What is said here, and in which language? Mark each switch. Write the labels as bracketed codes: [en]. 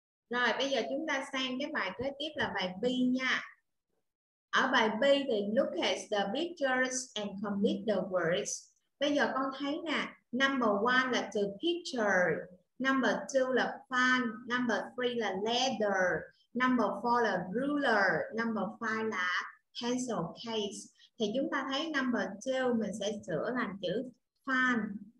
[vi] Rồi bây giờ chúng ta sang cái bài kế tiếp là bài B nha. Ở bài B thì [en] look at the pictures and complete the words. [vi] Bây giờ con thấy nè, number 1 là từ picture, number 2 là fan, number 3 là ladder, number 4 là ruler, number 5 là pencil case. Thì chúng ta thấy number 2 mình sẽ sửa thành chữ fan.